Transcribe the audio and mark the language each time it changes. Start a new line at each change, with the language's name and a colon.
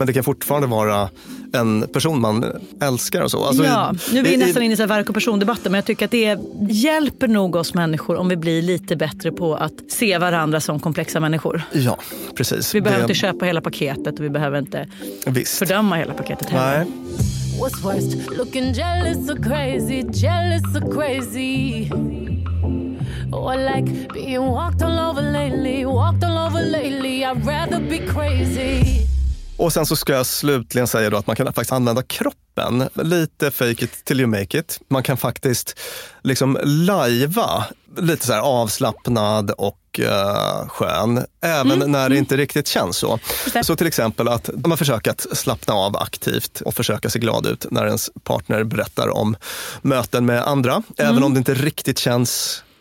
Swedish: Men det kan fortfarande vara en person man älskar och så. Alltså, ja, nu är vi nästan inne i så här verk- och persondebatten, men jag tycker att det hjälper nog oss människor om vi blir lite bättre på att se varandra som komplexa människor. Ja, precis. Vi behöver inte köpa hela paketet och vi behöver inte fördöma hela paketet heller. Nej.
English: What's worst, looking jealous or crazy, jealous or crazy? Or like being walked all over lately, I'd rather be crazy.
Swedish: Och sen så ska jag slutligen säga då att man kan faktiskt använda kroppen, lite
English: fake it till you make it.
Swedish: Man kan faktiskt liksom lajva lite så här avslappnad och skön, även när det inte riktigt känns så. Så till exempel att man försöker att slappna av aktivt och försöka se glad ut när ens partner berättar om möten med andra, även om det inte riktigt känns